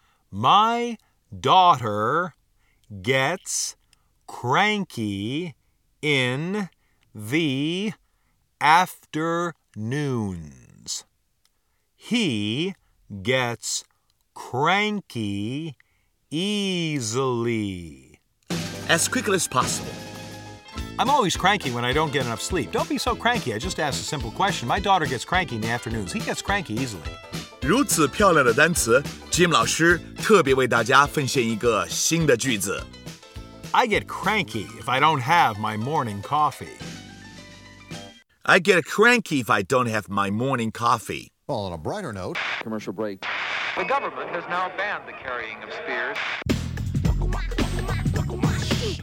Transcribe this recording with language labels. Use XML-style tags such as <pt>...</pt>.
<en>My daughter gets cranky in the afternoons. He gets cranky easily. As quickly as possible. I'm always cranky when I don't get enough sleep. Don't be so cranky. I just asked a simple question. My daughter gets cranky in the afternoons. He gets cranky easily.</en> <zh>如此漂亮的单词 ,Jim 老师特别为大家奉献一个新的句子。</zh> <en>I get cranky if I don't have my morning coffee. I get cranky if I don't have my morning coffee. Well, on a brighter note, commercial break. The government has now banned the carrying of spears.</en>